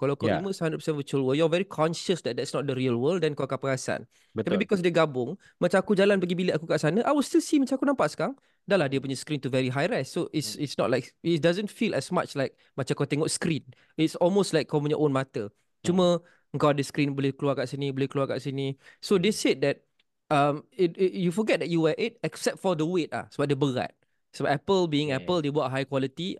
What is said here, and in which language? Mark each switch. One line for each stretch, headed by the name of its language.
Malay: Kalau kau
English: immersed 100% virtual world, you're very conscious that that's not the real world, then
Malay: kau akan perasan. Betul. Tapi
English: because
Malay: dia gabung, macam aku jalan pergi bilik aku kat sana,
English: I will still see
Malay: macam aku nampak sekarang, dah lah dia punya screen tu
English: very high res. So it's not like, it doesn't feel as much like
Malay: macam kau tengok screen.
English: It's almost like
Malay: kau punya
English: own mata.
Malay: Cuma engkau ada screen, boleh keluar kat sini, boleh keluar kat sini.
English: So they said that you forget that you wear it except for the weight lah,
Malay: sebab dia berat. Sebab Apple
English: being
Malay: Apple, dia buat
English: high quality.